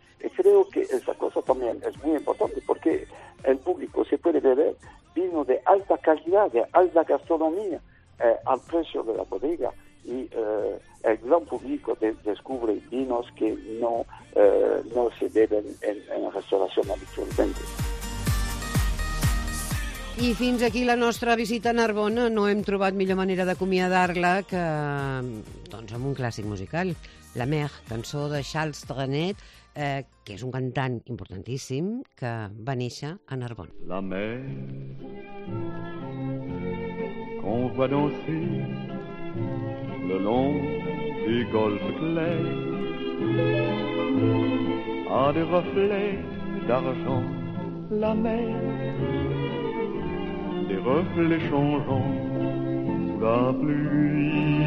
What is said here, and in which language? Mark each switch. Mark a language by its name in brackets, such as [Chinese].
[Spanish] Y creo que esa cosa también es muy importante, porque el público se puede beber vino de alta calidad, de alta gastronomía, al precio de la bodega. Y el gran público descubre vinos que no se beben en restauración habitualmente. [Catalan] I fins aquí la nostra visita a Narbona. No hem trobat millor manera d'acomiadar-la que doncs amb un clàssic musical. La Mer, cançó de Charles Trenet, que és un cantant importantíssim, que va néixer a Narbona. [French] La Mer, qu'on voit danser le long du golfe clair, a des reflets d'argent. La mer, des reflets changeants sous la pluie.